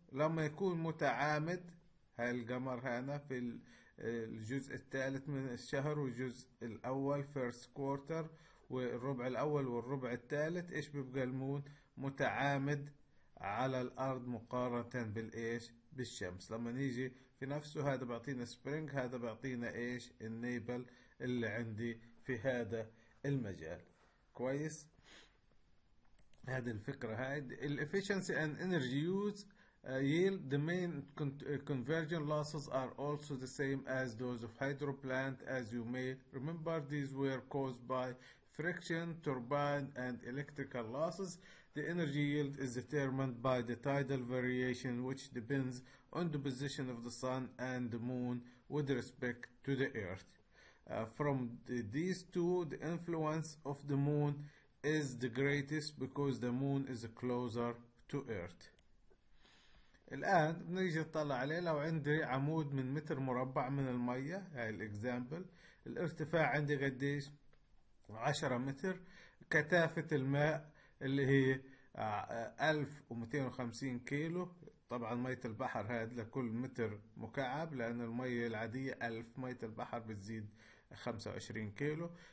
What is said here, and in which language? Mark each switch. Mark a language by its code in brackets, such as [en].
[ar] لما يكون متعامد هاي القمر هنا في الجزء الثالث من الشهر والجزء الأول first quarter والربع الأول والربع الثالث، ايش بيبقى المون؟ متعامد على الأرض مقارنة بالايش؟ بالشمس. لما نيجي في نفسه هذا بيعطينا سبرينج، هذا بيعطينا ايش؟ النيبل اللي عندي في هذا المجال. كويس، هذه الفكرة. [en] هاي الـ efficiency and energy use yield. The main conversion losses are also the same as those of hydro plant. As you may remember, these were caused by friction, turbine, and electrical losses. The energy yield is determined by the tidal variation, which depends on the position of the sun and the moon with respect to the earth. From these two, the influence of the moon is the greatest because the moon is closer to earth. [ar] الآن بنيجي نطلع عليه. لو عندي عمود من متر مربع من المية، هاي الإكزامبل، الارتفاع عندي قديش؟ 10 متر. كثافة الماء اللي هي 1250 كيلو، طبعا مية البحر هاد لكل متر مكعب، لأن المية العادية 1000، مية البحر بتزيد 25 كيلو.